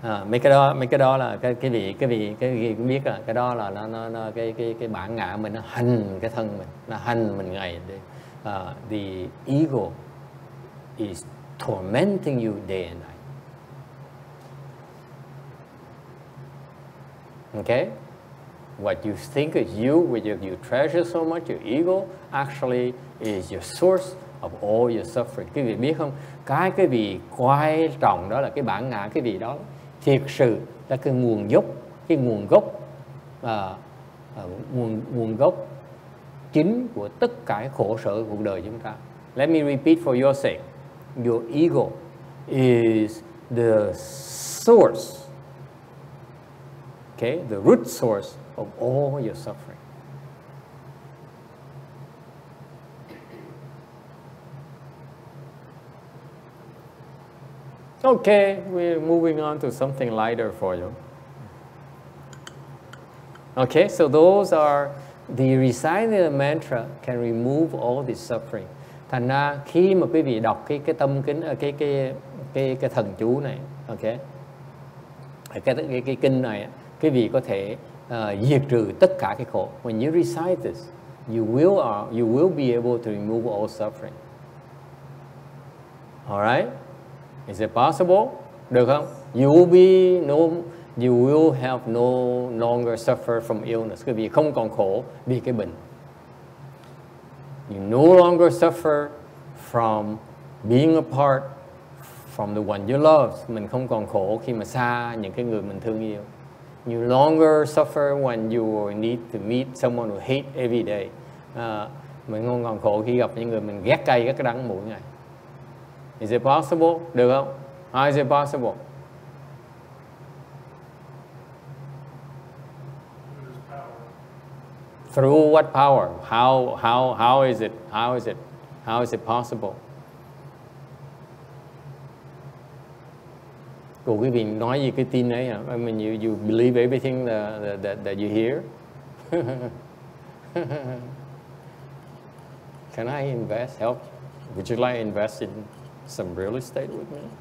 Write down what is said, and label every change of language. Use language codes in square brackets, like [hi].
[vi] Mấy cái đó là cái vị cũng biết là cái đó là nó cái bản ngã mình, nó hành cái thân mình, nó hành mình ngày đêm. [en] The ego is tormenting you day and night. Okay, what you think is you, which you treasure so much, your ego, actually is your source of all your suffering. [vi] Cái vị biết không, cái vị quan trọng đó là cái bản ngã cái vị đó, thực sự là cái nguồn gốc chính của tất cả khổ sở của cuộc đời chúng ta. [en] Let me repeat for your sake. Your ego is the source, okay, the root source of all your suffering. Okay, we're moving on to something lighter for you. Okay, so those are the reciting of the mantra can remove all this suffering. [vi] Thành ra khi mà quý vị đọc cái tâm kính cái thần chú này, ok, cái kinh này, quý vị có thể diệt trừ tất cả cái khổ. [en] When you recite this, you will be able to remove all suffering. All right? Is it possible? [vi] Được không? [en] You will have no longer suffer from illness. [vi] Quý vị không còn khổ vì cái bệnh. [en] You no longer suffer from being apart from the one you love. [vi] Mình không còn khổ khi mà xa những cái người mình thương yêu. [en] You no longer suffer when you need to meet someone who hate every day. [vi] Mình không còn khổ khi gặp những người mình ghét cay ghét đắng mỗi ngày. [en] Is it possible? [vi] Được không? [en] How is it possible? Through what power? How is it possible? [vi] Cô quý vị nói gì cái tin ấy hả? [en] I mean you believe everything that you hear. Can I invest? Help? Would you like invest in some real estate with me?